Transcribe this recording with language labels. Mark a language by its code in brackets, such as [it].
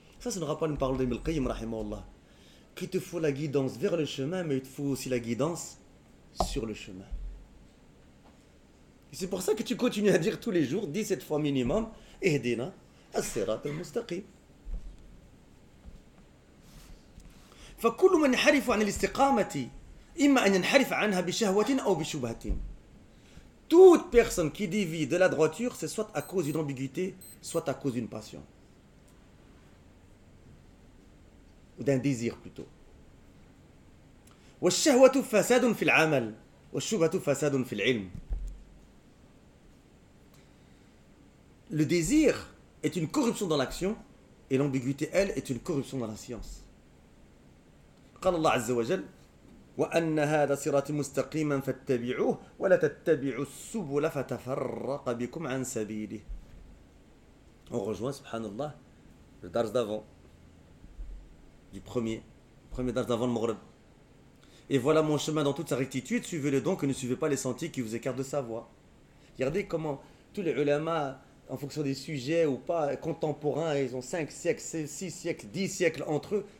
[fr] Ça, ce ne sera pas une parole d'Ibn al-Qayyim, rahimahullah. Qu'il te faut la guidance vers le chemin, mais il te faut aussi la guidance sur le chemin. Et c'est pour ça que tu continues à dire tous les jours, 17 fois minimum, « [ar] Ihdina as-sirat al-mustaqim ». فكل من ينحرف عن الاستقامة إما أن ينحرف عنها بشهوة أو بشبهة. [fr] Toute personne qui dévie de la droiture, c'est soit à cause d'une ambiguïté, soit à cause d'une passion. Ou d'un désir plutôt. [ar] والشهوة فساد في العمل والشبهة فساد في العلم. [fr] Le désir est une corruption dans l'action et l'ambiguïté, elle, est une corruption dans la science. [ar] قال الله عز وجل وأن هذا صراطي مستقيما فاتبعوه ولا تتبعوا السبل فتفرق بكم عن سبيله. [fr] On rejoint, [ar] سبحان الله, [fr] le dars d'avant, du premier dars d'avant le Maghreb. Et voilà mon chemin dans toute sa rectitude, suivez-le donc et ne suivez pas les sentiers qui vous écartent de sa voie. Regardez comment tous les ulama, en fonction des sujets ou pas, contemporains, ils ont 5 siècles, 6 siècles, 10 siècles entre eux.